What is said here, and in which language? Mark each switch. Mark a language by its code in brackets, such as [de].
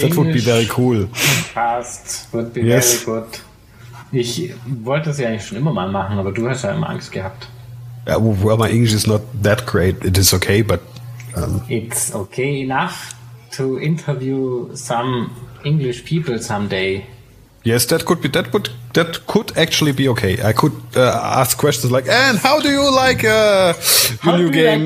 [en] That English would be very cool. Podcast would be very good. [de] Ich wollte es ja eigentlich schon immer mal machen, aber du hast ja immer Angst gehabt. [en] Well, my English is not that great. It is okay, but... It's okay enough to interview some English people someday. Yes, that could actually be okay. I could ask questions like, "And how do you like the new game?